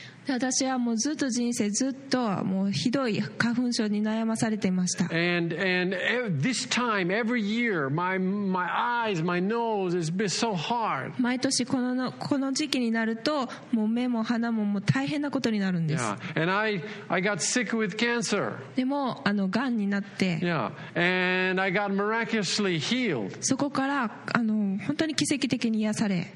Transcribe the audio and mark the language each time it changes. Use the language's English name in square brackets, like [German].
[Japanese] 私はもうずっと人生ずっともうひどい花粉症に悩まされていました。 [English] And this time, every year, my eyes, my nose has been so hard. [Japanese] 毎年この時期になるともう目も鼻ももう大変なことになるんです。 [English] Yeah. And I got sick with cancer. [Japanese] でも癌になって。 [English] Yeah. And I got miraculously healed. [Japanese] そこから本当に奇跡的に癒され。